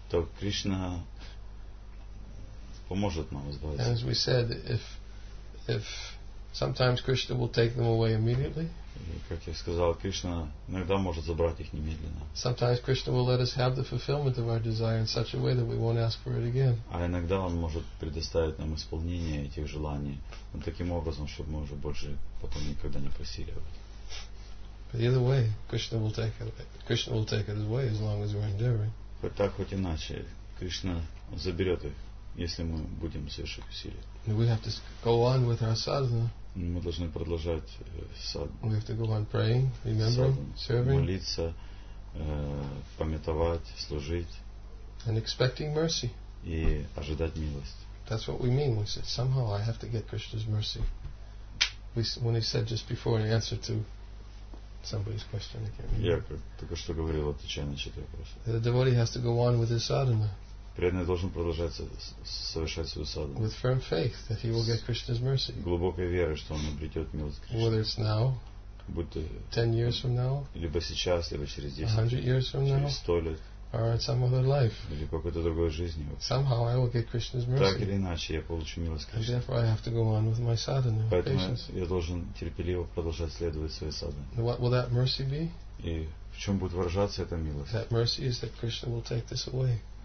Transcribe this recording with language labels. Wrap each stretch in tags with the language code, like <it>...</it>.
<ru>То Кришна поможет нам избавиться.</ru> <en>As we said, if sometimes Krishna will take them away immediately.</en> <ru>И, как я сказал, Кришна иногда может забрать их немедленно.</ru> <en>Sometimes Krishna will let us have the fulfillment of our desire in such a way that we won't ask for it again.</en> <ru>А иногда он может предоставить нам исполнение этих желаний, но таким образом, чтобы мы уже больше потом никогда не просили об этом.</ru> <en>But either way, Krishna will take it away as long as we're endeavoring.</en> <ru>Хоть так, хоть иначе, Кришна заберет их, если мы будем совершать усилия.</ru> <en>We have to go on with our sadhana.</en> <ru>Мы должны продолжать</ru> <en>садхану. We have to go on praying, remembering, serving.</en> <ru>Молиться, памятовать, служить.</ru> <en>And expecting mercy.</en> <ru>И ожидать милости.</ru> <en>That's what we mean. We said somehow I have to get Krishna's mercy. When he said just before in answer to somebody's question, I can't remember.</en> <ru>Я только что говорил, отвечая на чей-то вопрос.</ru> <en>The devotee has to go on with his sadhana.</en> <ru>Преданный должен продолжать совершать свою садхану.</ru> <en>With firm faith that he will get Krishna's mercy.</en> <ru>Глубокой верой, что он обретет милость Кришны.</ru> <en>Whether it's now,</en> <ru>будто</ru> <en>10 years from now,</en> <ru>либо сейчас, либо через 10,</ru> <en>100 years from</en> <ru>через</ru> <en>now,</en> <ru>100 лет,</ru> <en>or in some other life,</en> <ru>или какой-то другой жизни.</ru> <en>Somehow I will get Krishna's mercy.</en> <ru>Так или иначе, я получу милость Кришны.</ru> <en>And therefore I have to go on with my sadhana.</en> <ru>Поэтому я должен терпеливо продолжать следовать своей садхане.</ru> <en>What will that mercy be?</en> <ru>И в чем будет выражаться эта милость?</ru> <en>That mercy is that Krishna will take this away.</en>